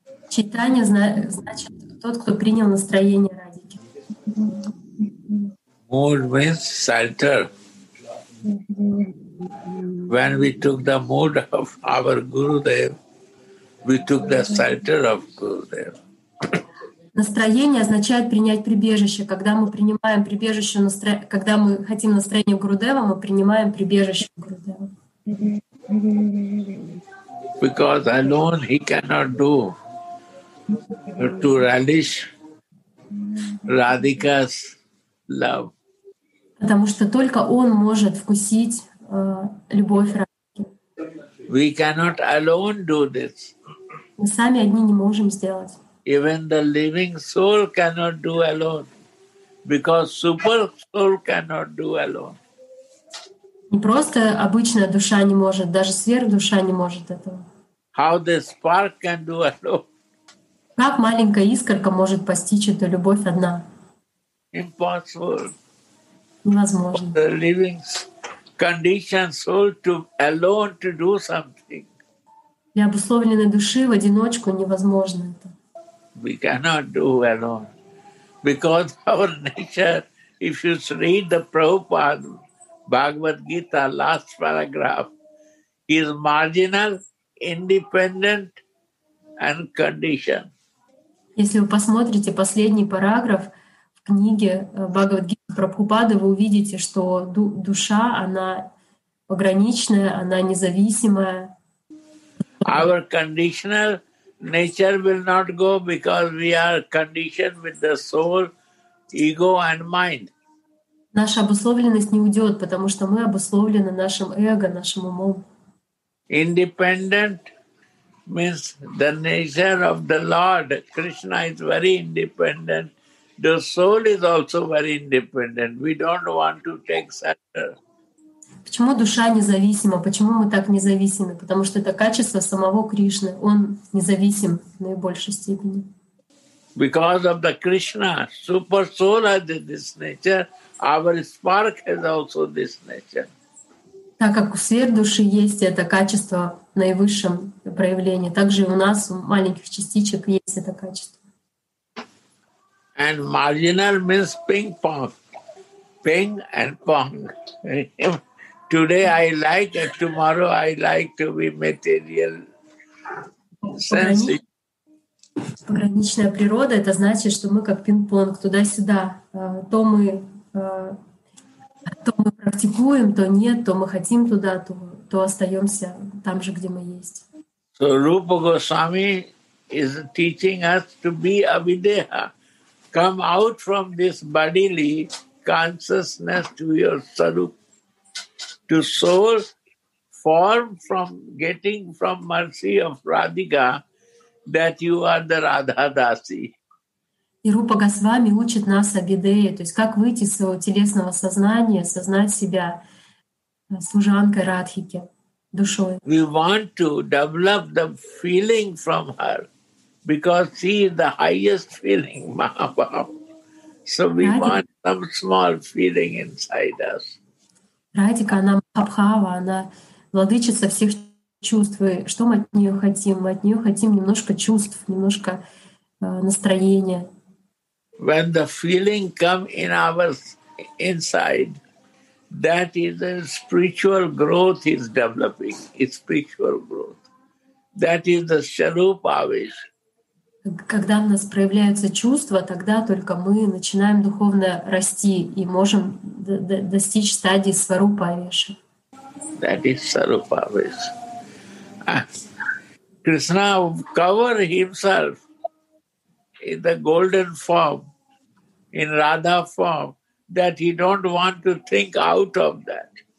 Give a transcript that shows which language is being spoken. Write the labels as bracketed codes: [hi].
[ru] Chaitanya значит тот, кто принял настроение Радики. [en] Mood means shelter. When we took the mood of our Gurudev, we took the shelter of Gurudev. [ru] Настроение означает принять прибежище. Когда мы принимаем прибежище, когда мы хотим настроение Гурудева, мы принимаем прибежище Гурудева. [en] Because alone he cannot do. To relish Radhika's love. [ru] Потому что только он может вкусить любовь Радхики. [en] We cannot alone do this. [ru] Мы сами одни не можем сделать. [en] Even the living soul cannot do alone, because super soul cannot do alone. [ru] Не просто обычная душа не может, даже сверхдуша не может этого. [en] How the spark can do alone? [ru] Как маленькая искорка может постичь эту любовь одна? [en] Impossible. [ru] Невозможно. [en] The living conditioned soul to alone to do something. [ru] Для обусловленной души в одиночку невозможно это. [en] We cannot do alone. Because our nature, if you read the Prabhupada Bhagavad Gita, last paragraph, is marginal, independent and conditioned. [ru] Если вы посмотрите последний параграф в книге Бхагавад-гиты Прабхупады, вы увидите, что душа, она пограничная, она независимая. [en] Our conditional nature will not go because we are conditioned with the soul, ego and mind. [ru] Наша обусловленность не уйдет, потому что мы обусловлены нашим эго, нашим умом. [en] Independent means the nature of the Lord. Krishna is very independent the soul is also very independent. We don't want to take center. [ru] Почему душа независима? Почему мы так независимы? Потому что это качество самого Кришны. Он независим в наибольшей степени. [en] Because of the Krishna, super soul has this nature. Our spark has also this nature. [ru] Так как у сверхдуши есть это качество в наивысшем проявлении, так же и у нас, у маленьких частичек, есть это качество. [en] And marginal means ping-pong. Ping and pong. Today I like it, tomorrow I like to be material. [ru] Пограничная природа — это значит, что мы как пинг-понг, туда-сюда. То мы... То мы практикуем, то нет, то мы хотим туда, то остаемся там же, где мы есть. [en] So Rupa Goswami is teaching us to be a videha. Come out from this bodily consciousness to your sarup, to soul form from getting from mercy of Radhika that you are the Radha Dasi. [ru] И Рупа Госвами учит нас Абидее, то есть как выйти из своего телесного сознания, сознать себя служанкой Радхики, душой. [en] We want to develop the feeling from her, because she is the highest feeling, Mahabhav. So we want some small feeling inside us. [ru] Радхика, она Махабхава, она владычица всех чувств. И что мы от нее хотим? Мы от нее хотим немножко чувств, немножко настроения. [en] When the feeling comes in our inside, that is a spiritual growth is developing, it's spiritual growth. That is the sharup avish. [ru] Когда в нас проявляются чувства, тогда только мы начинаем духовно расти и можем достичь стадии сварупа авиша. That is sharup avish. [en] Krishna covered himself in the golden form, in Radha form, that he don't want to think out of that.